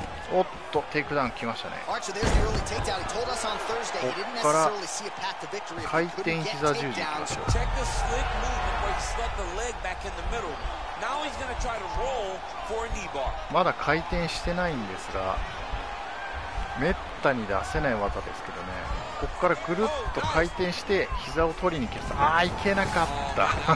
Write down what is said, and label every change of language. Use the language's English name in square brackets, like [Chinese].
[Japanese] おっと、テイクダウン来ましたね。 [English] Archer, there's the early takedown. He told us on Thursday he didn't necessarily see a path to victory. [Japanese] 回転膝十字行きましょう。 [English] Check the slick movement where he slept the leg back in the middle. Now he's going to try to roll for a knee bar. [Japanese] まだ回転してないんですが、めったに出せない技ですけどね。ここからぐるっと回転して膝を取りに来ました。ああ、いけなかった。